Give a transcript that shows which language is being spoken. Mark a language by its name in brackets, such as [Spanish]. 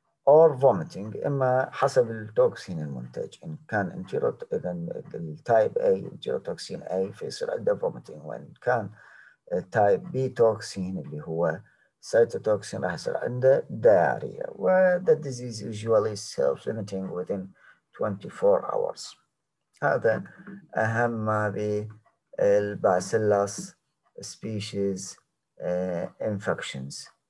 [English] or vomiting، [Arabic] إما حسب التوكسين المنتج، إن كان انتيروت إذا التايب A انتيروتوكسين A فيصير عنده vomiting، وإن كان التايب B توكسين اللي هو سيتوتوكسين راح يصير عنده دياريا. [English] و the disease usually self limiting within 24 hours. [Arabic] هذا أهم ما بي الباسيلس species infections.